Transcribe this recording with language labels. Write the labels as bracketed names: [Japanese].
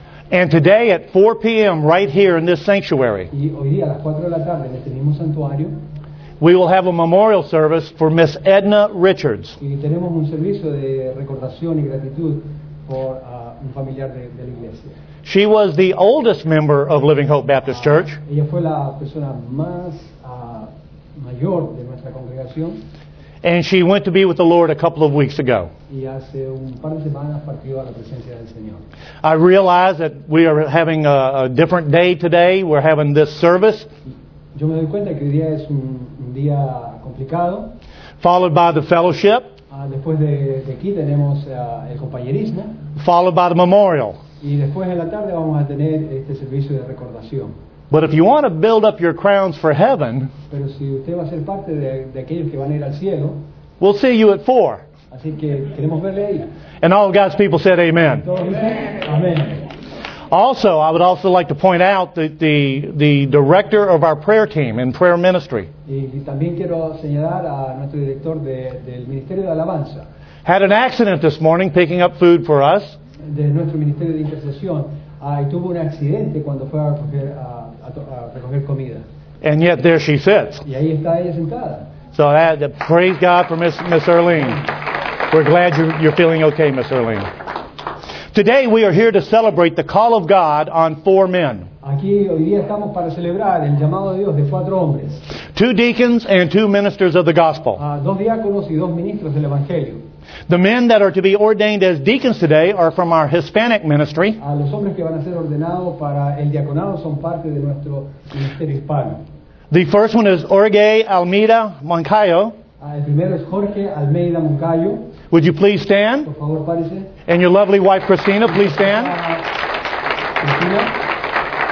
[English] And today at 4 p.m. right here in this sanctuary, [Spanish] y hoy día, a las 4 de la tarde, en este mismo santuario, [English] we will have a memorial service for Miss Edna Richards. [Spanish] Y tenemos un servicio de recordación y gratitud por un familiar de la iglesia. [English] She was the oldest member of Living Hope Baptist Church. [Spanish] Ella fue la persona más mayor de nuestra congregación. [English] And she went to be with the Lord a couple of weeks ago. [Spanish] Y hace un par de semanas partió a la presencia del Señor. [English] I realize that we are having a different day today. We're having this service. [Spanish] Yo me doy cuenta que hoy día es un día complicado. [English] Followed by the fellowship. [Spanish] Después de aquí tenemos el compañerismo. [English] Followed by the memorial. [Spanish] Y después en la tarde vamos a tener este servicio de recordación. [English] But if you want to build up your crowns for heaven, [Spanish] pero si usted va a ser parte de aquellos que van a ir al cielo, [English] we'll see you at 4. [Spanish] Así que queremos verle ahí. [English] And all of God's people said amen. Amen. Also, I would also like to point out that the director of our prayer team in prayer ministry [Spanish] y también quiero señalar a nuestro director del ministerio de alabanza, [English] had an accident this morning picking up food for us. [Spanish] De nuestro ministerio de intercesión, y tuvo un accidente cuando fue a recoger recoger comida. [English] And yet there she sits. [Spanish] Y ahí está ella sentada. [English] So praise God for Miss Erlene. We're glad you're feeling okay, Miss Erlene. Today we are here to celebrate the call of God on four men. [Spanish] Aquí hoy día estamos para celebrar el llamado de Dios de cuatro hombres. [English] Two deacons and two ministers of the gospel. [Spanish] Dos diáconos y dos ministros del evangelio. [English] The men that are to be ordained as deacons today are from our Hispanic ministry. [Spanish] Los hombres que van a ser ordenados para el diaconado son parte de nuestro ministerio hispano. [English] The first one is Jorge Almeida Moncayo. [Spanish] El primero es Jorge Almeida Moncayo. [English] Would you please stand? [Spanish] Por favor, párese. [English] And your lovely wife Christina, please stand. [Spanish] Christina.